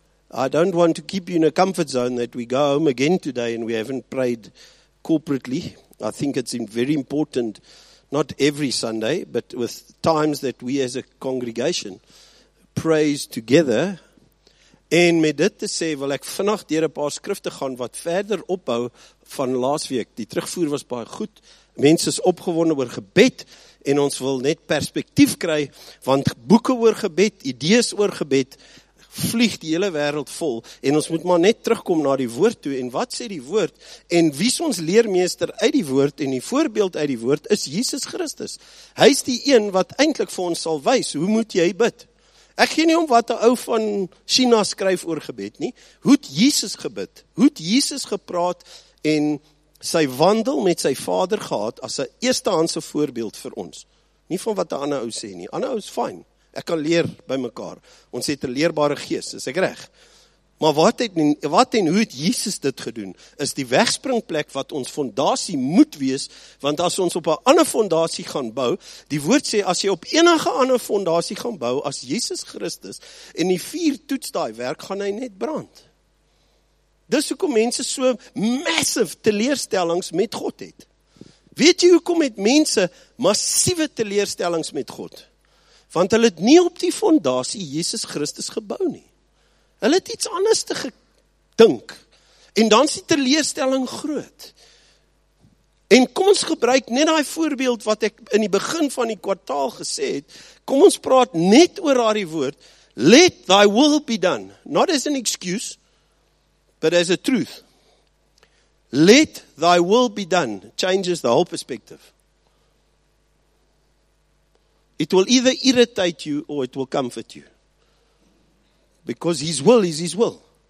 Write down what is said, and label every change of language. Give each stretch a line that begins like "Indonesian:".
English: I don't want to keep you in a comfort zone that we go home again today and we haven't prayed corporately. I think it's very important, not every Sunday, but with times that we as a congregation praise together.
Afrikaans: En met dit te sê, wil ek vannacht deur 'n paar skrifte gaan wat verder opbou van laasweek. Die terugvoer was baie goed. Mense is opgewonde oor gebed en ons wil net perspektief kry, want boeke oor gebed, idees oor gebed, vlieg die hele wêreld vol. En ons moet maar net terugkom na die woord toe. En wat sê die woord? En wie is ons leermeester uit die woord en die voorbeeld uit die woord is Jesus Christus. Hy is die een wat eintlik vir ons sal wys, hoe moet jy bid? Ek gee nie om wat een ou van China skryf oor gebed nie. Hoe het Jesus gebid? Hoe het Jesus gepraat en sy wandel met sy vader gehad as sy eerstehandse voorbeeld vir ons? Nie van wat die ander ou sê nie. Ander ou is fijn. Ek kan leer by mekaar. Ons het een leerbare geest, is ek reg. Maar wat en hoe het Jesus dit gedoen, is die wegspringplek wat ons fondasie moet wees, want as ons op 'n ander fondasie gaan bou, die woord sê, as jy op enige ander fondasie gaan bou, as Jesus Christus, en die vier toets daai werk, gaan hy net brand. Dis hoekom mense so massive teleerstellings met God het. Weet jy hoekom het mense massiewe teleerstellings met God? Want hulle het nie op die fondasie Jesus Christus gebou nie. Hulle het iets anders te gedink. En dan is die teleerstelling groot. En kom ons gebruik net die voorbeeld wat ek in die begin van die kwartaal gesê het. Kom ons praat net oor daai woord.
English: Let thy will be done. Not as an excuse, but as a truth. Let thy will be done. Changes the whole perspective. It will either irritate you or it will comfort you. Because his will is his will.